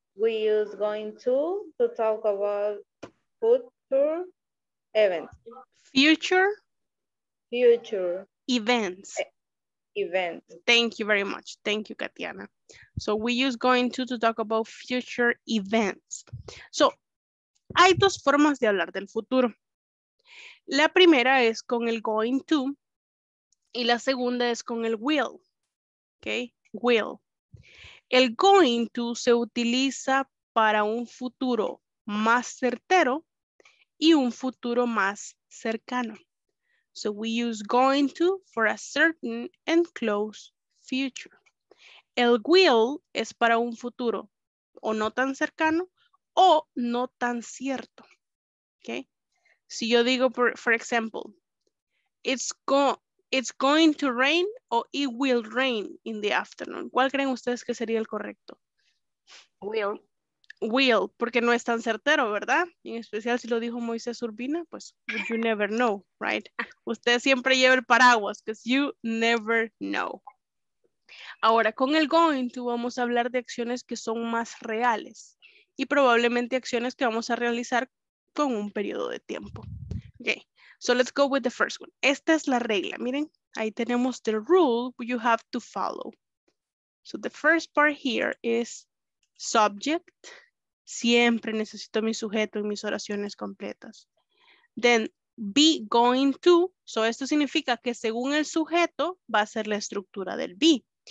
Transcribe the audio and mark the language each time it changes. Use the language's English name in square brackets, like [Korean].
[English] we use going to talk about future events. Future events. Event. Thank you very much. Thank you, Katiana. So we use going to talk about future events. [Spanish] So hay dos formas de hablar del futuro. La primera es con el going to y la segunda es con el will. Okay, will. El going to se utiliza para un futuro más certero y un futuro más cercano. [English] So we use going to for a certain and close future. [Spanish] El will es para un futuro o no tan cercano o no tan cierto. [English] Okay? [Spanish] Si yo digo, [English] for example, it's going to rain o it will rain in the afternoon. [Spanish] ¿Cuál creen ustedes que sería el correcto? [English] Will. [Spanish] Will, porque no es tan certero, ¿verdad? En especial si lo dijo Moisés Urbina, pues [English] you never know, right? [Spanish] Usted siempre lleva el paraguas, [English] because you never know. [Spanish] Ahora, con el going to vamos a hablar de acciones que son más reales y probablemente acciones que vamos a realizar con un periodo de tiempo. [English] Okay, so let's go with the first one. [Spanish] Esta es la regla, miren. Ahí tenemos [English] the rule you have to follow. So the first part here is subject. [Spanish] Siempre necesito mi sujeto en mis oraciones completas. [English] Then, be going to. [Spanish] So esto significa que según el sujeto va a ser la estructura del be.